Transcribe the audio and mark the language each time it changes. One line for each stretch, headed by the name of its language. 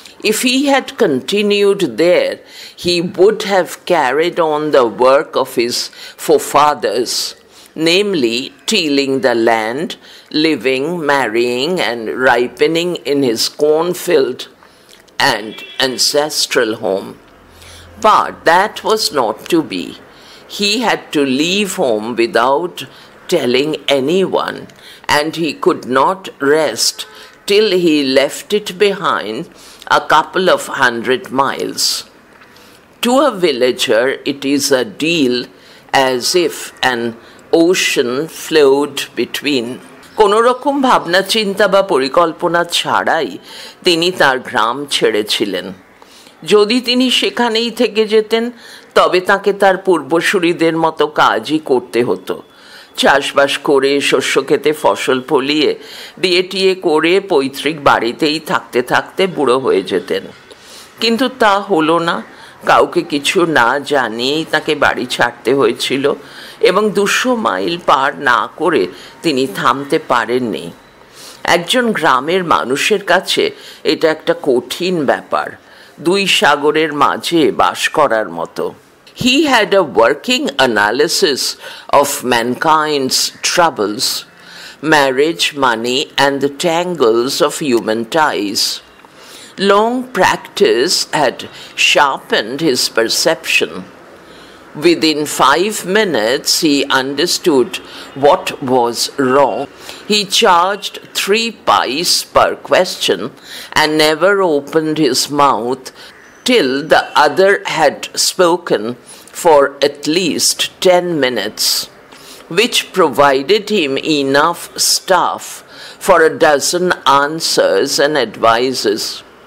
English: If he had continued there he would have carried on the work of his forefathers, namely tilling the land, living, marrying and ripening in his cornfield and ancestral home. But that was not to be. He had to leave home without telling anyone, and he could not rest till he left it behind a couple of hundred miles. To a villager it is a deal as if an ocean flowed between.
Bangla: কোনো রকম ভাবনা চিন্তা বা পরিকল্পনা ছাড়াই তিনি তার গ্রাম ছেড়েছিলেন। যদি তিনি সেখানেই থেকে যেতেন তবে তাকে তার পূর্বসূরীদের মতো কাজই করতে হতো। চাষবাস করে, শস্য খেতে, ফসল ফলিয়ে, বিয়ে টিয়ে করে পৈতৃক বাড়িতেই থাকতে থাকতে বুড়ো হয়ে যেতেন। কিন্তু তা হলো না। কাউকে কিছু না জানিয়েই তাকে বাড়ি ছাড়তে হয়েছিল এবং 200 মাইল পার না করে তিনি থামতে পারেননি। একজন গ্রামের মানুষের কাছে এটা একটা কঠিন ব্যাপার, দুই সাগরের মাঝে বাস করার মতো।
English: He had a working analysis of mankind's troubles, marriage, money and the tangles of human ties. Long practice had sharpened his perception. Within 5 minutes, he understood what was wrong. He charged 3 pice per question and never opened his mouth till the other had spoken for at least 10 minutes, which provided him enough stuff for a dozen answers and advices.